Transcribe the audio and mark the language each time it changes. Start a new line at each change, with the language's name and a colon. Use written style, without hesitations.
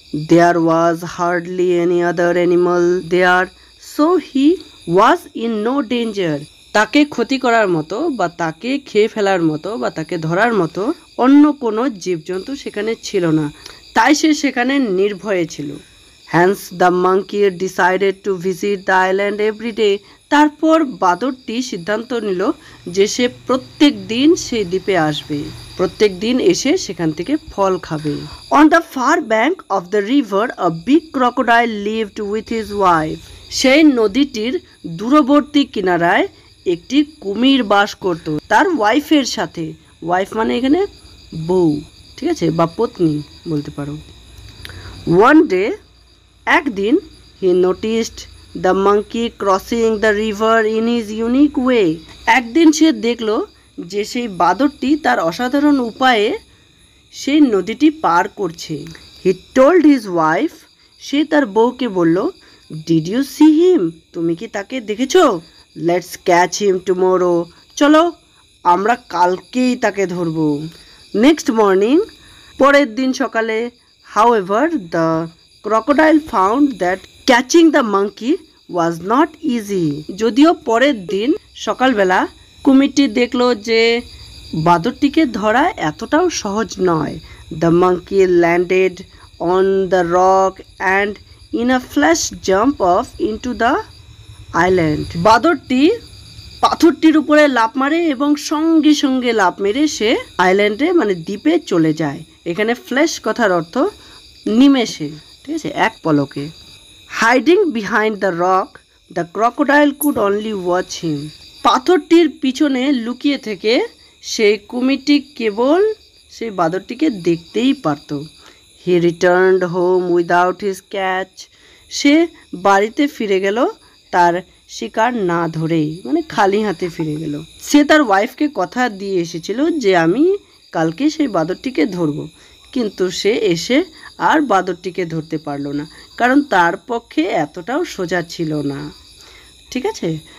English: there was hardly any other animal there so he was in no danger,
Bangla: তাকে ক্ষতি করার মতো বা তাকে খেয়ে ফেলার মতো বা তাকে ধরার মতো অন্য কোনো জীবজন্তু সেখানে ছিল না, তাই সে সেখানে নির্ভয়ে ছিল।
English: Hence, the monkey decided to visit the island every day.
Bangla: তারপর বাদরটি সিদ্ধান্ত নিল যে সে প্রত্যেক দিন সেই দ্বীপে আসবে, প্রত্যেক দিন এসে সেখান থেকে ফল খাবে।
English: On the far bank of the river, a big crocodile lived with his wife.
Bangla: সেই নদীটির দূরবর্তী কিনারায় একটি কুমির বাস করত তার ওয়াইফের সাথে। ওয়াইফ মানে এখানে বউ, ঠিক আছে, বা পত্নী বলতে পারো।
English: One day,
Bangla: একদিন,
English: he noticed the monkey crossing the river in his unique way.
Bangla: একদিন সে দেখলো যে সেই বাদরটি তার অসাধারণ উপায়ে সেই নদীটি পার করছে।
English: He told his wife,
Bangla: সে তার বউকে বলল,
English: Did you see him?
Bangla: তুমি কি তাকে দেখেছো?
English: Let's catch him tomorrow.
Bangla: চলো আমরা কালকেই তাকে ধরবো।
English: Next morning,
Bangla: পরের দিন সকালে,
English: however, the crocodile found that catching the monkey was not easy.
Bangla: যদিও পরের দিন সকালবেলা কুমিরটি দেখল যে বাদরটিকে ধরা এতটাও সহজ নয়।
English: The monkey landed on the rock and in a flash jump off into the island.
Bangla: বাদরটি পাথরটির উপরে লাফ মারে এবং সঙ্গে সঙ্গে লাফ মেরে সে আইল্যান্ডে, মানে দ্বীপে চলে যায়। এখানে ফ্ল্যাশ কথার অর্থ নিমেষে, ঠিক আছে, এক পলকে।
English: Hiding behind the rock, the crocodile could only watch him.
Bangla: পাথরটির পিছনে লুকিয়ে থেকে সেই কুমিরটি কেবল সেই বাদরটিকে দেখতেই পারত।
English: He returned home without his catch.
Bangla: সে বাড়িতে ফিরে গেল তার শিকার না ধরেই, মানে খালি হাতে ফিরে গেল। সে তার ওয়াইফকে কথা দিয়ে এসেছিল যে আমি কালকে সেই বাদরটিকে ধরবো, কিন্তু সে এসে আর বাদরটিকে ধরতে পারলো না, কারণ তার পক্ষে এতটাও সোজা ছিল না, ঠিক আছে।